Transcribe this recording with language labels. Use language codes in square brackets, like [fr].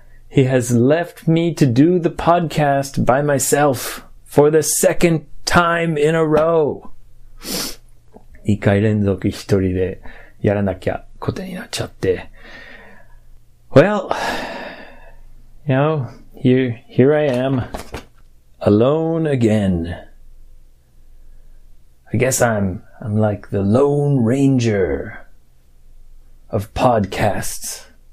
[en] He has left me to do the podcast by myself for the second time in a row. [ja] 2回連続一人でやらなきゃことになっちゃって。 [en] Well, you know, here I am, alone again. I guess I'm like the Lone Ranger of podcasts.